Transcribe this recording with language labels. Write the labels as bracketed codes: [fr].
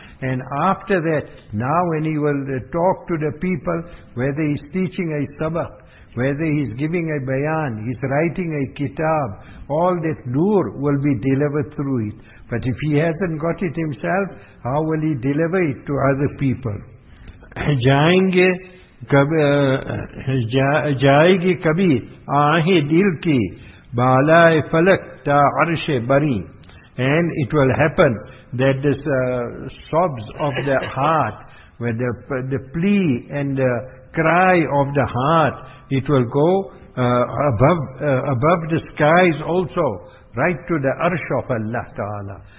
[en] And after that, now when he will talk to the people, whether he's teaching a sabah, whether he's giving a bayan, he's writing a kitab, all that noor will be delivered through it. But if he hasn't got it himself, how will he deliver it to other people? [ur] Jayenge جائے گی کبھی آہ دل کی بالائے فلک تا عرش بری. [en] And it will happen that this sobs of the heart, where the plea and the cry of the heart, it will go above the skies also, right to the arsh of Allah Ta'ala.